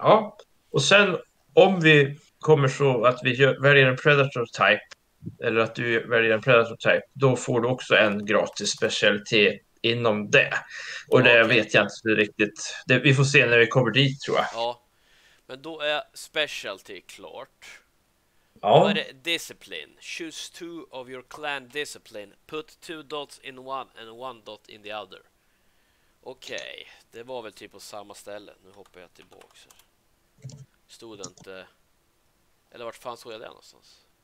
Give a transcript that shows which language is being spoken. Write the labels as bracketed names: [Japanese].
[Swedish] Ja, och sen om vi kommer så att vi väljer en predator type eller att du väljer en predator type, då får du också en gratis specialitet inom det. Och det Okej. vet jag inte riktigt. Det, vi får se när vi kommer dit, tror Ja. Men då är specialty klart. Då är jag. det discipline. [English] Choose two of your clan discipline. Put two dots in one and one dot in the other. [Swedish] Okej, det var väl typ på samma ställe. Nu hoppar jag tillbaka. Stod det inte... Eller vart fan såg jag det någonstans?